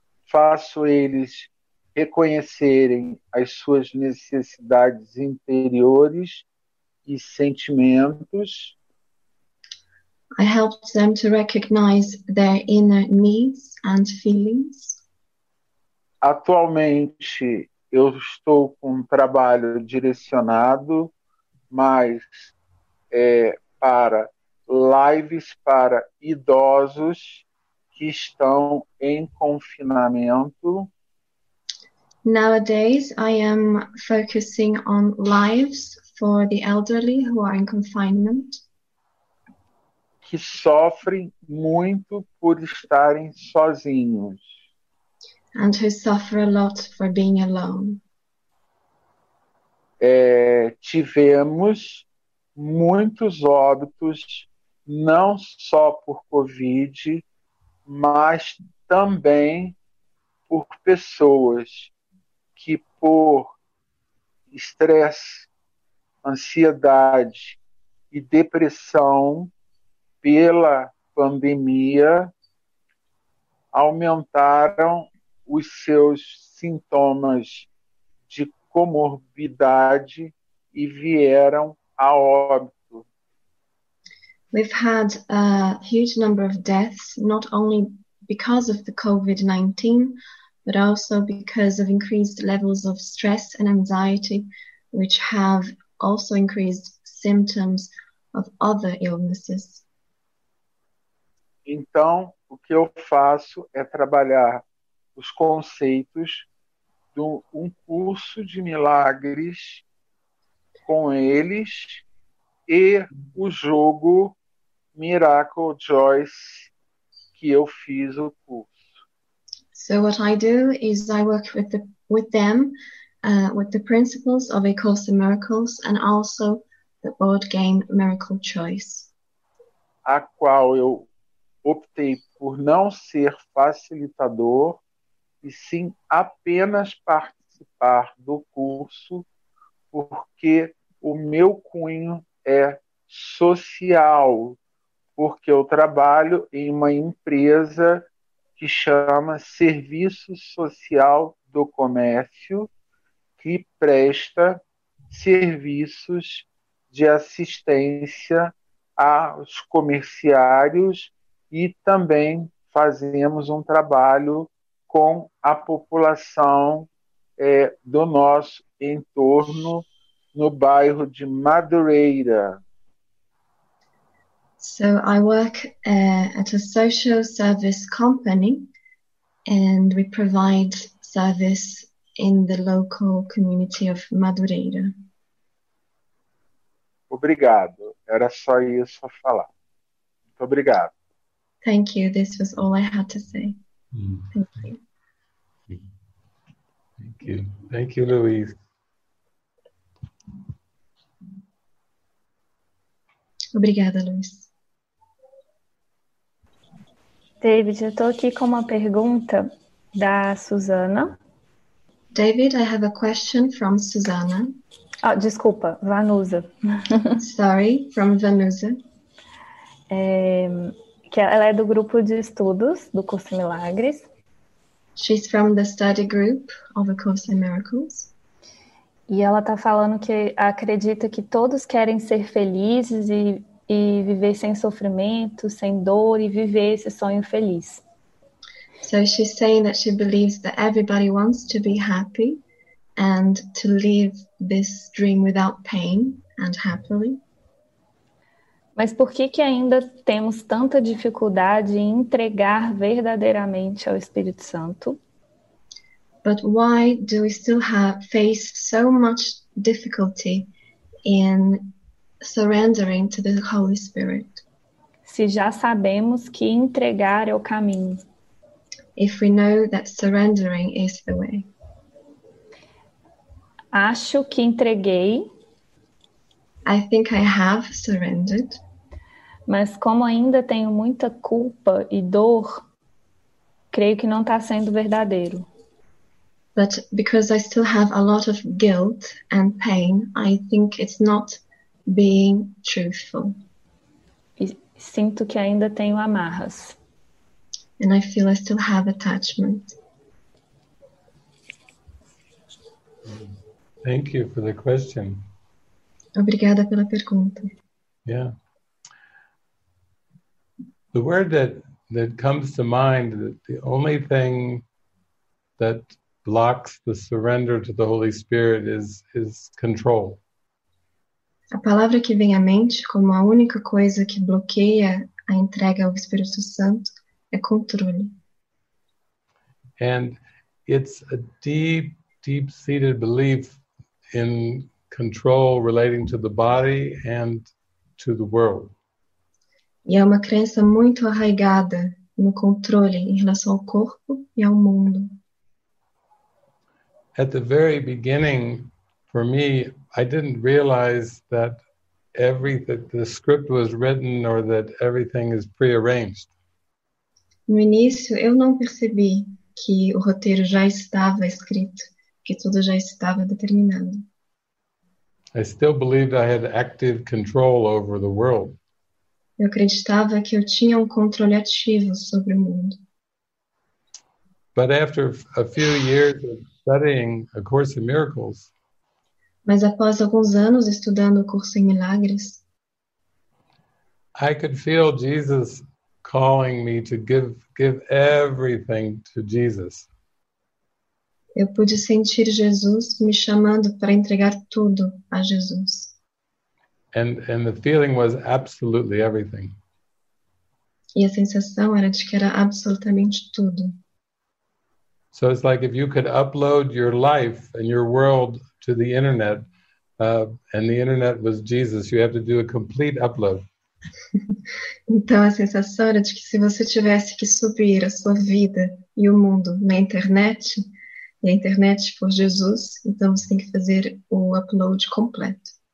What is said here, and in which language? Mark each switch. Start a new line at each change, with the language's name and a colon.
Portuguese: Faço eles reconhecerem as suas necessidades interiores e sentimentos.
English: I help them to recognize their inner needs and feelings.
Portuguese: Atualmente, eu estou com um trabalho direcionado mais para lives para idosos que estão em confinamento.
English: Nowadays, I am focusing on lives for the elderly who are in confinement.
Portuguese: Que sofrem muito por estarem sozinhos.
English: And who suffer a lot for being alone.
Portuguese: Tivemos muitos óbitos, não só por COVID, mas também por pessoas que por estresse, ansiedade e depressão pela pandemia aumentaram os seus sintomas de comorbidade e vieram a óbito.
English: We've had a huge number of deaths, not only because of the COVID-19, but also because of increased levels of stress and anxiety, which have also increased symptoms of other illnesses.
Portuguese: Então, o que eu faço é trabalhar os conceitos de um curso de milagres com eles e o jogo Miracle Joyce, que eu fiz o curso.
English: So what I do is I work with them, with the principles of A Course in Miracles and also the board game Miracle Choice.
Portuguese: A qual eu optei por não ser facilitador e sim apenas participar do curso, porque o meu cunho é social. Porque eu trabalho em uma empresa que que chama Serviço Social do Comércio, que presta serviços de assistência aos comerciários e também fazemos um trabalho com a população do nosso entorno no bairro de Madureira.
English: So I work at a social service company and we provide service in the local community of Madureira.
Portuguese: Obrigado. Era só isso a falar. Muito obrigado.
English: Thank you. This was all I had to say. Thank you. Thank you. Thank you, Louise.
Portuguese: Obrigada, Luiz. David, eu estou aqui com uma pergunta da Susana.
English: David, I have a question from Susana.
Portuguese: Ah, desculpa, Vanusa.
English: Sorry, from Vanusa.
Portuguese: Ela é do grupo de estudos do curso Milagres.
English: She's from the study group of A Course in Miracles.
Portuguese: E ela está falando que acredita que todos querem ser felizes e viver sem sofrimento, sem dor e viver esse sonho feliz.
English: So she's saying that she believes that everybody wants to be happy and to live this dream without pain and happily.
Portuguese: Mas por que que ainda temos tanta dificuldade em entregar verdadeiramente ao Espírito Santo?
English: But why do we still face so much difficulty in surrendering to the Holy Spirit?
Portuguese: Se já sabemos que entregar é o caminho.
English: If we know that surrendering is the way.
Portuguese: Acho que entreguei.
English: I think I have surrendered.
Portuguese: Mas como ainda tenho muita culpa e dor, creio que não está sendo verdadeiro.
English: But because I still have a lot of guilt and pain, I think it's not being truthful.
Portuguese: E sinto que ainda tenho amarras.
English: And I feel I still have attachment. Thank you for the question.
Portuguese: Obrigada pela pergunta.
English: Yeah. The word that comes to mind, the only thing that blocks the surrender to the Holy Spirit is control.
Portuguese: A palavra que vem à mente como a única coisa que bloqueia a entrega ao Espírito Santo é controle.
English: And it's a deep, deep-seated belief in control relating to the body and to the world.
Portuguese: E é uma crença muito arraigada no controle em relação ao corpo e ao mundo.
English: At the very beginning, for me, I didn't realize that everything, the script was written or that everything is prearranged.
Portuguese: No início, eu não percebi que o roteiro já estava escrito, que tudo já estava determinado.
English: I still believed I had active control over the world.
Portuguese: Eu acreditava que eu tinha um controle ativo sobre o mundo.
English: But after a few years of studying A Course in Miracles.
Portuguese: Mas após alguns anos estudando o curso em milagres,
English: I could feel Jesus calling me to give everything to Jesus.
Portuguese: Eu pude sentir Jesus me chamando para entregar tudo a Jesus.
English: And the feeling was absolutely everything.
Portuguese: E a sensação era de que era absolutamente tudo.
English: So it's like if you could upload your life and your world to the internet, and the internet was Jesus, you have to do a complete upload.
Portuguese: Então a sensação era de que se você tivesse que subir a sua vida e o mundo na internet, e a internet for Jesus, então você tem que fazer o upload completo.